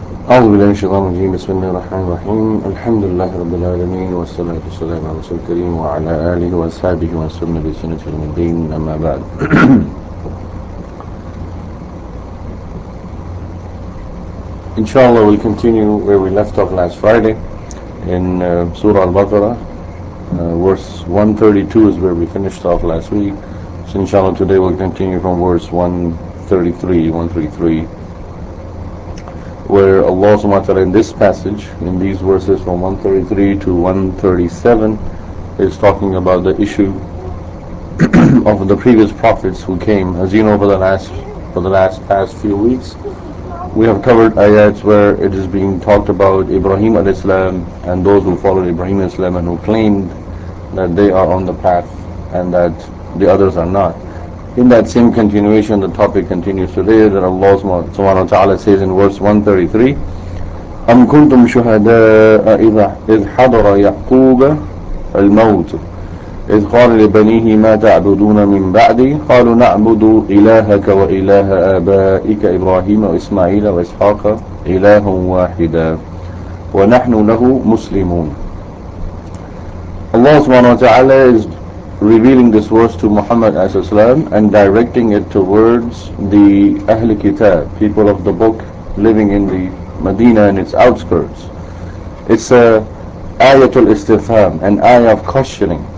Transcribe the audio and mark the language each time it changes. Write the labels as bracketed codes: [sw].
[ar] أعوذ بالله من الشيطان الرجيم، بسم الله الرحمن الرحيم، الحمد لله رب العالمين، والصلاة والسلام على رسول الكريم وعلى آله وأصحابه وسلم بسنة المدين، أما بعد. [en] إن شاء الله we'll continue where we left off last Friday in Surah Al-Baqarah. Verse 132 is where we finished off last week. So إن شاء الله today we'll continue from verse 133. Where Allah subhanahu wa ta'ala in this passage, in these verses from 133 to 137, is talking about the issue of the previous prophets who came. As you know, for the last few weeks, we have covered ayats where it is being talked about Ibrahim al-Islam and those who followed Ibrahim al-Islam and who claimed that they are on the path and that the others are not. In that same continuation, the topic continues today, that Allah subhanahu wa ta'ala says in verse 133, [ar] أَمْ كُنْتُمْ شُهَدَاءَ إِذْ حَضَرَ يَعْقُوبَ الْمَوْتُ إِذْ قَالَ لِبَنِيهِ مَا تَعْبُدُونَ مِنْ بَعْدِي قَالُوا نَعْبُدُ إِلَهَكَ وَإِلَهَ آبَائِكَ إِبْرَاهِيمَ وَإِسْمَعِيلَ وَإِسْحَاقَ إِلَهٌ وَاحِدًا وَنَحْنُ لَهُ مُسْلِمُونَ. [en] Allah subhanahu wa ta'ala is revealing this verse to Muhammad and directing it towards the Ahlul Kitab, people of the book living in the Medina and its outskirts. It's a ayatul istifham, an ayah of questioning.